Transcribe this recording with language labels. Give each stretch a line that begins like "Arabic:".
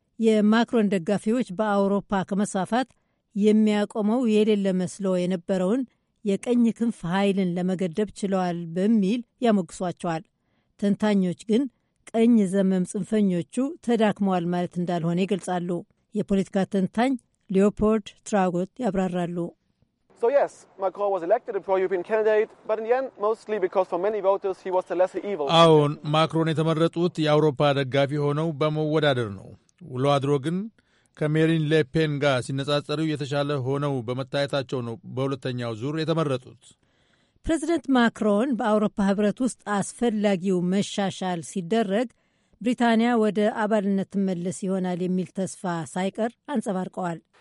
Amharic: የማክሮን ደጋፊዎች በአውሮፓ ከመስፋፋት የሚያቆመው የሌለ መስሎ የነበረውን የቀኝ ክንፍ ኃይልን ለመገደብ ችለዋል በሚል ያሞግሷቸዋል። ተንታኞች ግን ቀኝ ዘመም ጽንፈኞቹ ተዳክመዋል ማለት እንዳልሆነ ይገልጻሉ። የፖለቲካ ተንታኝ ሊዮፖልድ ትራጎት ያብራራሉ።
English: So yes, Macron was elected a pro-European candidate, but in the end, mostly because for many voters he was the lesser evil.
Amharic: አሁን ማክሮን የተመረጡት የአውሮፓ ደጋፊ ሆነው በመወዳደር ነው። ውሎ አድሮ ግን ከሜሪን ሌፔን ጋር ሲነጻጸሩ የተሻለ ሆነው በመታየታቸው ነው በሁለተኛው ዙር የተመረጡት። ፕሬዚደንት ማክሮን በአውሮፓ ህብረት ውስጥ አስፈላጊው መሻሻል ሲደረግ ብሪታንያ ወደ አባልነት መለስ ይሆናል የሚል ተስፋ ሳይቀር አንጸባርቀዋል።